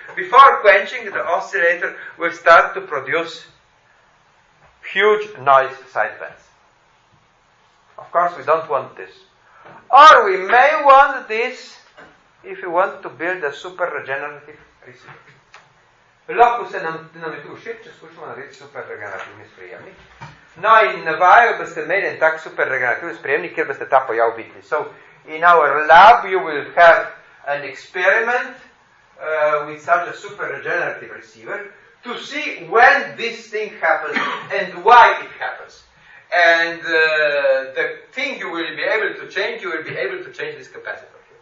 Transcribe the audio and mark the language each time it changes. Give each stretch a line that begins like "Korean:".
English: Before quenching, the oscillator will start to produce huge noise sidebands. Of course, we don't want this. Or we may want this if we want to build a super regenerative receiver.
Slovenian: Lahko se nam je tu všeč, če skušamo narediti super regenerativni sprejemnik. No, in na vaju boste imeli en tak super regenerativni sprejemnik, kjer boste ta pojav videli.
English: So, in our lab, you will have an experiment with such a super regenerative receiver to see when this thing happens and why it happens. And the thing you will be able to change, you will be able to change this capacitor.